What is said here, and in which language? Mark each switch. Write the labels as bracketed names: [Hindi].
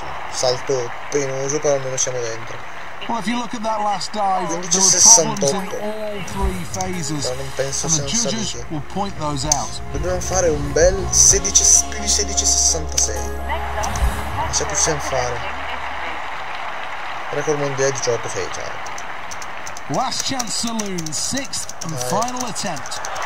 [Italian] Salto penoso, però almeno siamo dentro. [English] Well, if you look at that last dive, there were problems in all three phases, and the judges will point those out. [Italian] Dobbiamo fare un bel 16, più di 16.66. Ce la possiamo fare. Record mondiale di 18 fake. [English] Last chance saloon, sixth and final attempt.